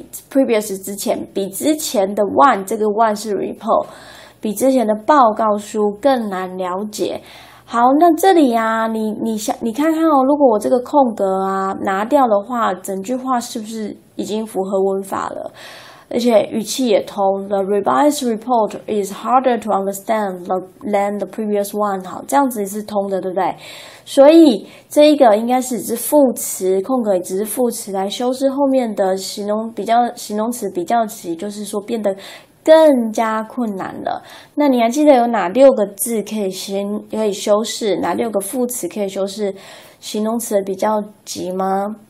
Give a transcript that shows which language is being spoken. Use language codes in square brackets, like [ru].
[en] previous [zh] 之前，比之前的 [en] one [zh] 这个 one 是 [en] report， [zh] 比之前的报告书更难了解。好，那这里呀、啊，你看看哦，如果我这个空格啊拿掉的话，整句话是不是已经符合文法了？而且语气也通。 [en] The revised report is harder to understand than the previous one。 [zh] 好，这样子也是通的，对不对？所以这一个应该是只是副词，空格也只是副词，来修饰后面的形容词比较级，就是说变得更加困难了。那你还记得有哪六个字可以修饰，哪六个副词可以修饰形容词比较级吗？